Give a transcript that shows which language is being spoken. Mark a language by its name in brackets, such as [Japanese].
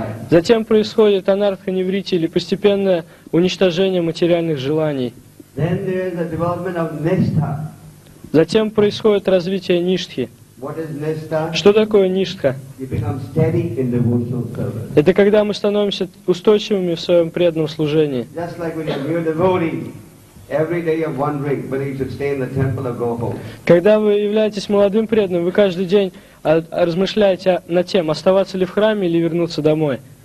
[Russian] Затем происходит анартха неврити или постепенное уничтожение материальных желаний. [English] Then there is the development of nishtha. [Russian] Затем происходит развитие ништхи. [English] What is nishtha? [Russian] Что такое ништха? [English] You become steady in devotional service. [Russian] Это когда мы становимся устойчивыми в своем преданном служении. [English] Just like when you're a new devotee. Every day you're wondering whether you should stay in the temple or go home. [Russian] Когда вы являетесь молодым преданным, вы каждый день размышляете над тем, оставаться ли в храме или вернуться домой.